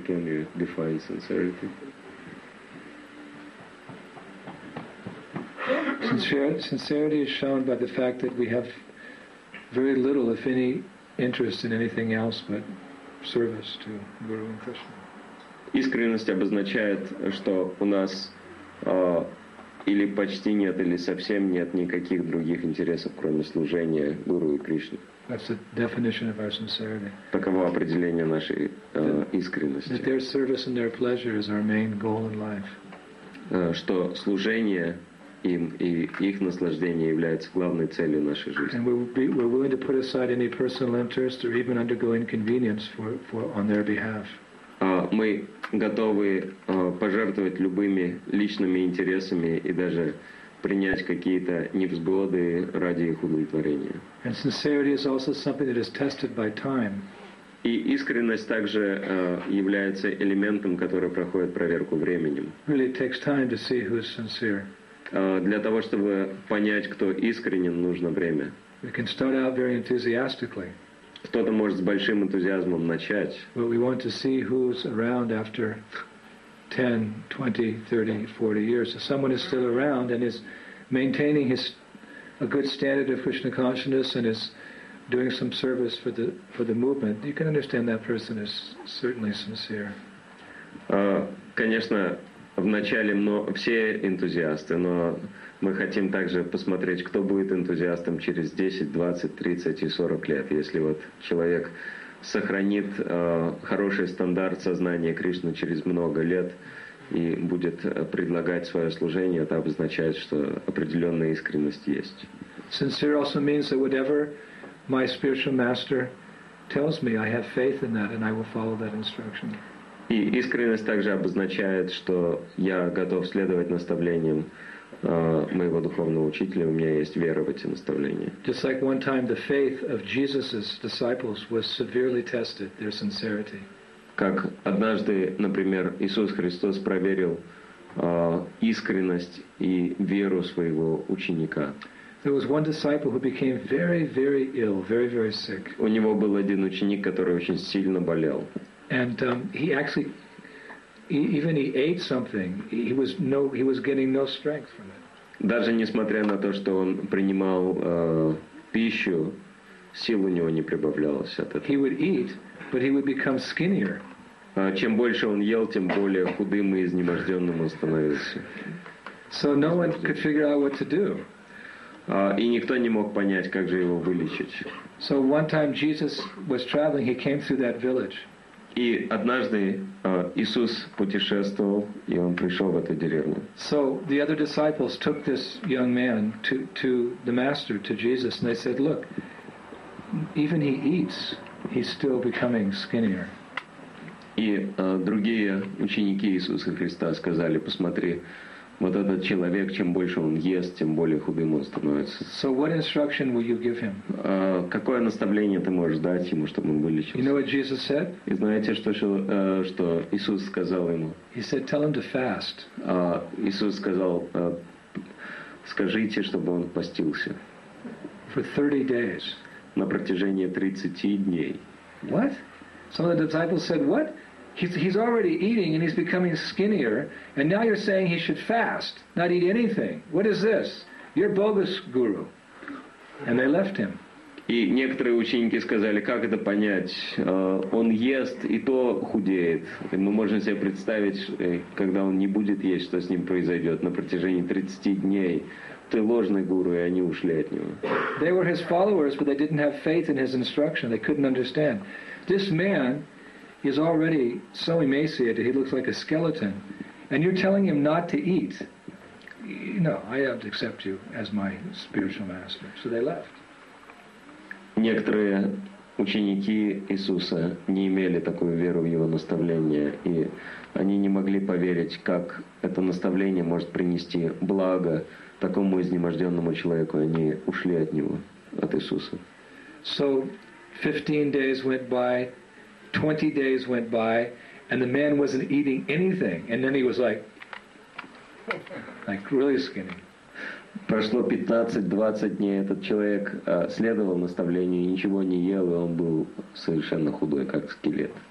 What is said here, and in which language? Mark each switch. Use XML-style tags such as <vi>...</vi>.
<en>Can you define sincerity? Sincerity is shown by the fact that we have very little, if any, interest in anything else but service to Guru and Krishna.</en> <ru>Искренность обозначает, что у нас или почти нет, или совсем нет никаких других интересов, кроме служения Гуру и Кришне.</ru> <en>That's the definition of our sincerity.</en> <ru>Таково определение нашей искренности.</ru> <en>That their service and their pleasure is our main goal in life.</en> <ru>Что служение им и их наслаждение является главной целью нашей жизни.</ru> <en>And we're willing to put aside any personal interest or even undergo inconvenience for on their behalf.</en> <ru>Мы готовы пожертвовать любыми личными интересами и даже принять какие-то невзгоды ради их удовлетворения.</ru> <en>And sincerity is also something that is tested by time.</en> <ru>И искренность также является элементом, который проходит проверку временем.</ru> <en>Really, it takes time to see who is sincere.</en> <ru>Для того, чтобы понять, кто искренен, нужно время.</ru> <en>We can start out very enthusiastically.</en> <ru>Кто-то может с большим энтузиазмом начать.</ru> <en>But we want to see who's around after 10, 20, 30, 40 years. So someone is still around and is maintaining his a good standard of Krishna consciousness and is doing some service for the movement. You can understand that person is certainly sincere.</en> <ru>Конечно, вначале все энтузиасты, но мы хотим также посмотреть, кто будет энтузиастом через 10, 20, 30 и 40 лет. Если вот человек сохранит хороший стандарт сознания Кришны через много лет и будет предлагать свое служение, это обозначает, что определенная искренность есть.</ru> <en>Sincere also means that whatever my spiritual master tells me, I have faith in that and I will follow that instruction.</en> <ru>И искренность также обозначает, что я готов следовать наставлениям моего духовного учителя, у меня есть вера в эти наставления.</ru> <en>Just like one time the faith of Jesus's disciples was severely tested, their sincerity.</en> <ru>Как однажды, например, Иисус Христос проверил искренность и веру своего ученика.</ru> <en>There was one disciple who became very, very ill, very, very sick.</en> <ru>У него был один ученик, который очень сильно болел.</ru> <en>And he actually, even he ate something. He was getting no strength from it.</en> <ru>Даже несмотря на то, что он принимал пищу, сил у него не прибавлялось от этого.</ru> <en>He would eat, but he would become skinnier.</en> <ru>Чем больше он ел, тем более худым и изнеможденным он становился.</ru> <en>So no one could figure out what to do.</en> <ru>И никто не мог понять, как же его вылечить.</ru> <en>So one time Jesus was traveling, he came through that village.</en> <ru>И однажды Иисус путешествовал, и он пришел в эту деревню.</ru> <en>So the other disciples took this young man to the master, to Jesus, and they said, "Look, even he eats, he's still becoming skinnier."</en> <ru>И другие ученики Иисуса Христа сказали: "Посмотри, Вот этот человек, чем больше он ест, тем более худым он становится.</ru> <en>So what instruction will you give him?</en> <ru>Какое наставление ты можешь дать ему, чтобы он вылечился?</ru> <en>You know what Jesus said?</en> <ru>И знаете, что Иисус сказал ему?</ru> <en>He said, tell him to fast.</en> <ru>Иисус сказал, скажите, чтобы он постился.</ru> <en>For 30 days.</en> <ru>На протяжении 30 дней.</ru> <en>What? Some of the disciples said, what? He's already eating and he's becoming skinnier, and now you're saying he should fast, not eat anything. What is this? You're bogus, guru. And they left him.</en> <ru>И некоторые ученики сказали, как это понять? Он ест и то худеет. Мы можем себе представить, когда он не будет есть, что с ним произойдет на протяжении 30 дней. Ты ложный гуру, и они ушли от него.</ru> <en>They were his followers, but they didn't have faith in his instruction. They couldn't understand. This man is already so emaciated, he looks like a skeleton. And you're telling him not to eat. No, I have to accept you as my spiritual master. So they left.</en> <ru>Некоторые ученики Иисуса не имели такую веру в его наставление, и они не могли поверить, как это наставление может принести благо такому изнеможденному человеку. Они ушли от него, от Иисуса.</ru> <en>So 15 days went by, 20 days went by, and the man wasn't eating anything. And then he was like really skinny.</en> <ru>Прошло 15-20 дней, этот человек следовал наставлению, ничего не ел, и он был совершенно худой, как скелет.</ru>